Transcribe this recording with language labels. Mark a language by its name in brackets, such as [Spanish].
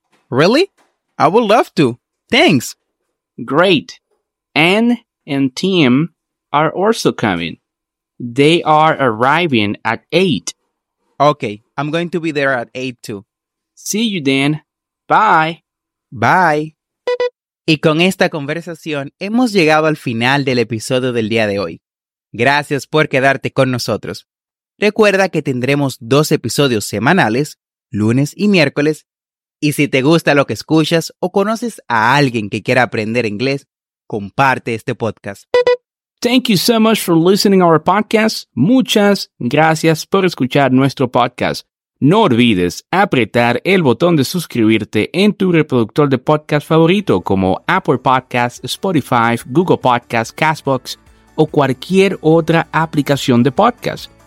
[English] Really? I would love to. Thanks. Great. Anne and Tim are also coming. They are arriving at 8. Okay, I'm going to be there at 8 too. See you then. Bye. Bye. [Spanish] Y con esta conversación hemos llegado al final del episodio del día de hoy. Gracias por quedarte con nosotros. Recuerda que tendremos 2 episodios semanales, lunes y miércoles. Y si te gusta lo que escuchas o conoces a alguien que quiera aprender inglés, comparte este podcast. [English] Thank you so much for listening our podcast. [Spanish] Muchas gracias por escuchar nuestro podcast. No olvides apretar el botón de suscribirte en tu reproductor de podcast favorito como Apple Podcasts, Spotify, Google Podcasts, Castbox o cualquier otra aplicación de podcast.